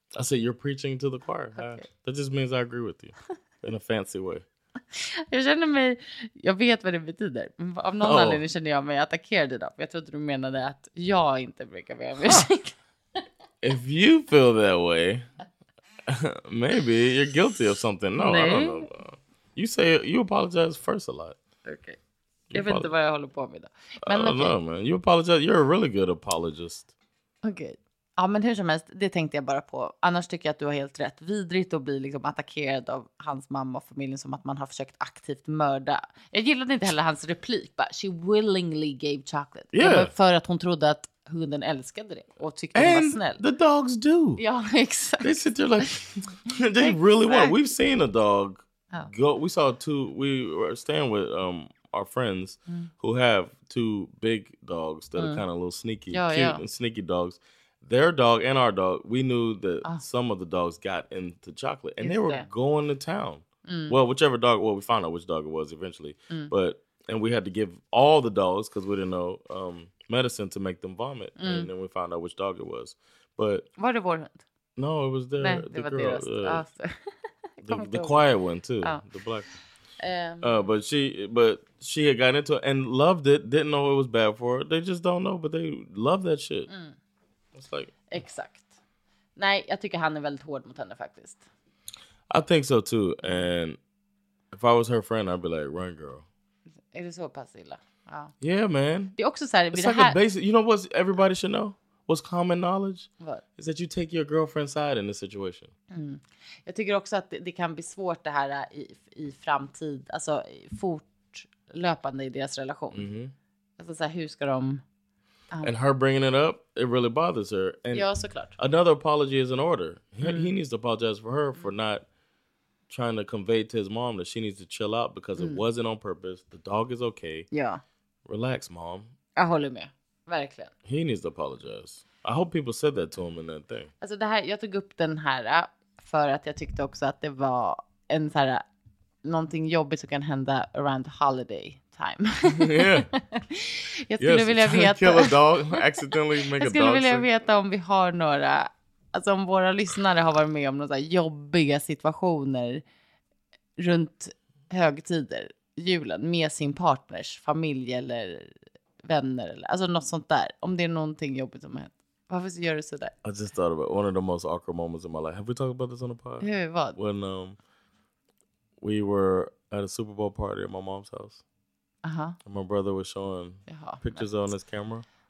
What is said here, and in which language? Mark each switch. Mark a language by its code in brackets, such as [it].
[en] I say you're preaching to the choir. Okay. That just means I agree with you. In a fancy way. [sv] Jag känner mig, jag vet vad det betyder. Av någon anledning känner jag mig attackerad idag. Jag trodde du menade att jag inte brukar be om ursäkt. [en] If you feel that way, maybe you're guilty of something. No, nej. I don't know. You say you apologize first a lot. Okay. [sv] Jag vet inte vad jag håller på med idag. Men okay. [en] No, man. You apologize. You're a really good apologist. Okay. [sv] Ja, men hur som helst, det tänkte jag bara på. Annars tycker jag att du har helt rätt. Vidrigt att bli liksom attackerad av hans mamma och familjen som att man har försökt aktivt mörda. Jag gillade inte heller hans replik. [en] Bara, she willingly gave chocolate. Yeah. [sv] För att hon trodde att hunden älskade det och tyckte att hon var snäll. [en] The dogs do. [sv] Ja, exakt. [en] They sit there like, they really want. We've seen a dog go. We saw two, we were staying with our friends who have two big dogs that are kind of a little sneaky, cute and sneaky dogs. Their dog and our dog, we knew that some of the dogs got into chocolate. And they were going to town. Mm. Well, whichever dog, well, we found out which dog it was eventually. Mm. But, and we had to give all the dogs, because we didn't know, medicine to make them vomit. Mm. And then we found out which dog it was. But [sv] var det vår hund? [en] No, it was their, the girl. [sv] Deras, [en] the quiet one, too. The black one. But she had gotten into it and loved it. Didn't know it was bad for her. They just don't know, but they love that shit. Mm. Like, [sv] exakt. Nej, jag tycker han är väldigt hård mot henne faktiskt. [en] I think so too. And if I was her friend, I'd be like, run girl. [sv] Är det så pass illa? [en] Ja. Yeah, man. [sv] Det är också så här, [en] it's like a basic, you know what everybody should know? What's common knowledge? What? Is that you take your girlfriend's side in this situation. Mm. [sv] Jag tycker också att det kan bli svårt det här i framtid. Alltså fortlöpande i deras relation. Mm-hmm. Alltså så här, hur ska de... [en] And her bringing it up, it really bothers her. And [sv] ja, såklart. [en] Another apology is in order. He needs to apologize for her for not trying to convey to his mom that she needs to chill out because it wasn't on purpose. The dog is okay. [sv] Ja. [en] Relax, mom. [sv] Jag håller med. Verkligen. [en] He needs to apologize. I hope people said that to him in that thing. [sv] Alltså det här, jag tog upp den här för att jag tyckte också att det var en så här, någonting jobbigt som kan hända [en] around holiday. Time. Yeah. [sv] Jag skulle vilja veta. [en] Kill a dog, accidentally make [sv] jag skulle [en] a dog [sv] vilja veta om vi har några, alltså om våra lyssnare har varit med om några jobbiga situationer runt högtider, julen, med sin partners familj eller vänner eller, alltså något sånt där. Om det är någonting jobbigt som har hänt. Varför gör du sådär? [en] I just thought about one of the most awkward moments of my life. Have we talked about this on the pod? [sv] Hur, vad? [en] When we were at a Super Bowl party at my mom's house. Uh-huh. And my brother was showing pictures on his camera.